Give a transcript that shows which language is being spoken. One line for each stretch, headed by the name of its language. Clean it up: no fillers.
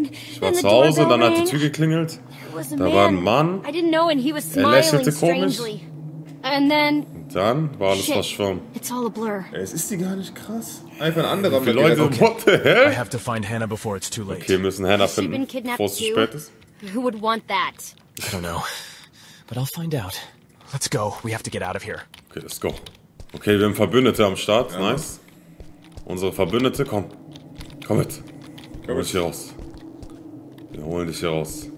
German: Ich war zu Hause und dann hat die Tür geklingelt. Da war ein Mann.
English: I didn't know and he was smiling.
German: Er lächelte komisch.
English: And then,
German: und dann war alles verschwommen.
English: It's all a blur.
German: Es ist die gar nicht krass. Einfach ein anderer. Die Leute, okay.
English: What the hell? I have to find Henna before it's too late.
German: Okay, müssen Henna finden, bevor es zu spät ist.
English: Who would want that? I don't know. But I'll find out. Let's go. We have to get out of here.
German: Okay,
English: let's go.
German: Okay, wir haben Verbündete am Start. Ja. Nice. Unsere Verbündete, komm. Komm mit. Komm mit hier raus. Wir holen dich hier raus.